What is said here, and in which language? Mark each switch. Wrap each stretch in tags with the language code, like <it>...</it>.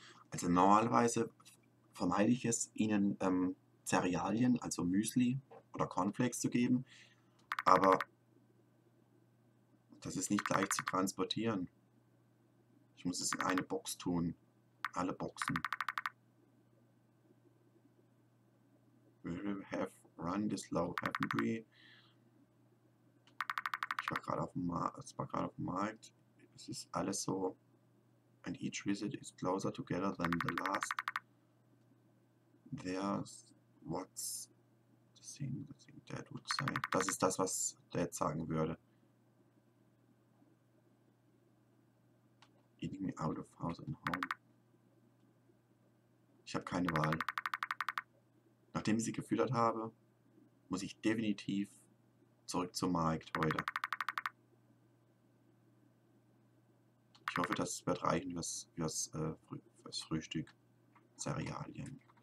<de>Also normalerweise vermeide ich es, ihnen Cerealien, also Müsli oder Cornflakes zu geben, aber das ist nicht leicht zu transportieren. Ich muss es in eine Box tun, alle Boxen.</de> <en>We have run this low, haven't we?</en> <de>Ich war gerade auf dem Markt, es ist alles so...</de> <en>And each visit is closer together than the last. There's what's the thing Dad would say.</en> <de>Das ist das, was Dad sagen würde.</de> <en>Eating out of house and home.</en> <de>Ich habe keine Wahl. Nachdem ich sie gefüttert habe, muss ich definitiv zurück zum Markt heute. hoffe, das wird reichen fürs Frühstück. Cerealien.</de>